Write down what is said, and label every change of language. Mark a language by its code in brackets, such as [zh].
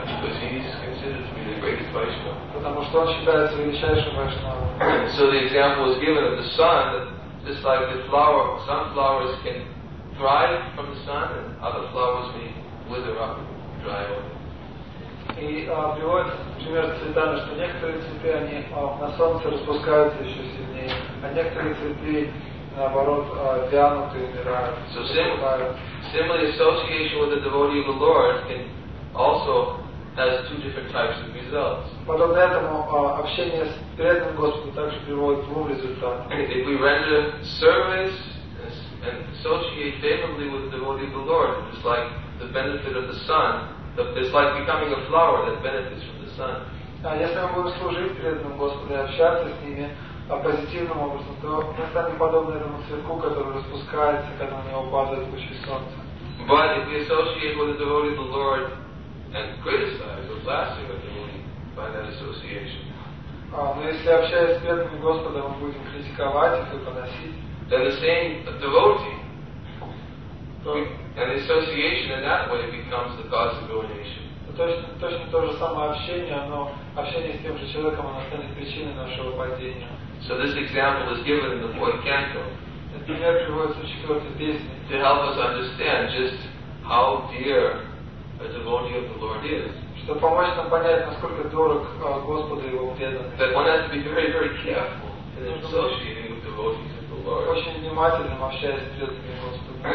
[en] Because he is considered to be the greatest Vaishnava. [ru] Потому что он считается величайшим Вайшнавом. [en] So the example is given of the sun, that just like the flower, sunflowers can thrive from the sun and other flowers may wither up and dry up. [ru] И приводится пример цветами, что некоторые цветы они на солнце распускаются еще сильнее, а некоторые цветы наоборот вянут и умирают. [en] So similarly, association with the devotee of the Lord can also has two different types of results. [ru] Подобно этому общение с преданным Господом также приводит к двум результатам. [en] If we render service and associate favorably with the devotee of the Lord, just like the benefit of the sun. It's like becoming a flower that benefits from the sun. [ru] Если мы будем служить преданному Господу и общаться с ними позитивным образом, то мы станем подобны этому цветку, который распускается, когда на него падает лучи солнца. [en] But if we associate with the devotee of the Lord and criticize or blaspheme the devotee by that association, [ru] но если общаясь с преданным Господом, мы будем критиковать их и поносить, [en] then the same devotee. And association in that way becomes the cause of ruination. [ru] Точно то же самое общение, но общение с тем же человеком оно станет причиной нашего падения. [en] So this example is given in the fourth canto. [ru] Этот пример приводится в четвертой песне. [en] To help us understand just how dear a devotee of the Lord is. [ru] Чтобы помочь нам понять, насколько дорог Господу его преданный. [en] That one has to be very, very careful in associating with devotees of the Lord. [ru] Очень внимательным общаясь с преданными Господом.